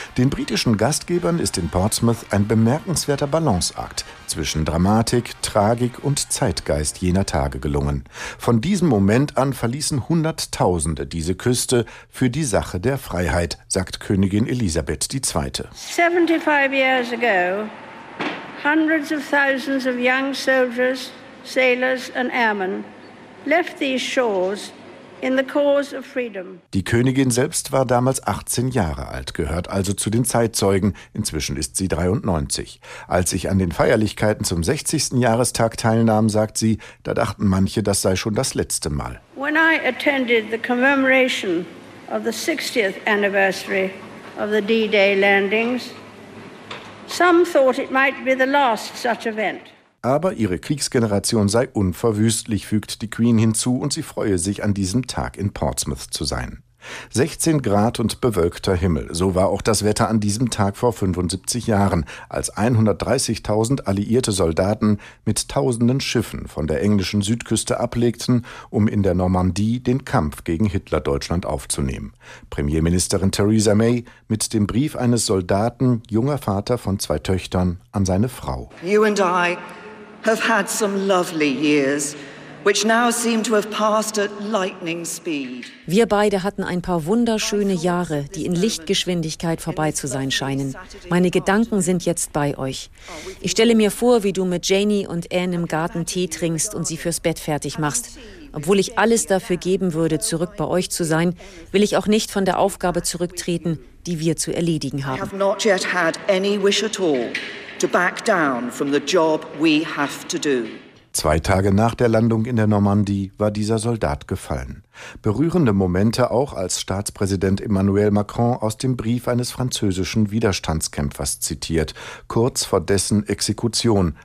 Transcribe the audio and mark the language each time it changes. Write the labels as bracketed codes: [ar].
[de] Den britischen Gastgebern ist in Portsmouth ein bemerkenswerter Balanceakt zwischen Dramatik, Tragik und Zeitgeist jener Tage gelungen. Von diesem Moment an verließen Hunderttausende diese Küste für die Sache der Freiheit, sagt Königin Elisabeth II. [en] 75 years ago, hundreds of thousands of young soldiers, sailors and airmen left these shores in the cause of freedom. [de] Die Königin selbst war damals 18 Jahre alt, gehört also zu den Zeitzeugen. Inzwischen ist sie 93. Als ich an den Feierlichkeiten zum 60. Jahrestag teilnahm, sagt sie, da dachten manche, das sei schon das letzte Mal. [en] When I attended the commemoration of the 60th anniversary of the D-Day landings, some thought it might be the last such event. [de] Aber ihre Kriegsgeneration sei unverwüstlich, fügt die Queen hinzu, und sie freue sich, an diesem Tag in Portsmouth zu sein. 16 Grad und bewölkter Himmel, so war auch das Wetter an diesem Tag vor 75 Jahren, als 130.000 alliierte Soldaten mit tausenden Schiffen von der englischen Südküste ablegten, um in der Normandie den Kampf gegen Hitler-Deutschland aufzunehmen. Premierministerin Theresa May mit dem Brief eines Soldaten, junger Vater von zwei Töchtern, an seine Frau. [en] You and I have had some lovely years, which now seem to have passed at lightning speed. [de] Wir beide hatten ein paar wunderschöne Jahre, die in Lichtgeschwindigkeit vorbei zu sein scheinen. Meine Gedanken sind jetzt bei euch. Ich stelle mir vor, wie du mit Janie und Anne im Garten Tee trinkst und sie fürs Bett fertig machst. Obwohl ich alles dafür geben würde, zurück bei euch zu sein, will ich auch nicht von der Aufgabe zurücktreten, die wir zu erledigen haben. [en] I have not yet had any wish at all to back down from the job we have to do. [de] Zwei Tage nach der Landung in der Normandie war dieser Soldat gefallen. Berührende Momente auch, als Staatspräsident Emmanuel Macron aus dem Brief eines französischen Widerstandskämpfers zitiert, kurz vor dessen Exekution.